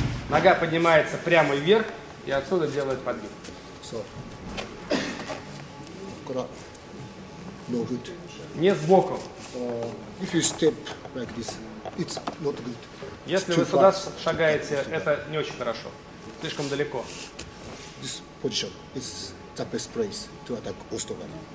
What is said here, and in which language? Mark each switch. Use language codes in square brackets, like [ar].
[ru] Нога поднимается прямо вверх и отсюда делает подъем. Не сбоку. [en] If you step like this, it's not good. [ru] Если вы сюда шагаете, это не очень хорошо. Слишком далеко. [en] This position is the best place to attack Ostogan.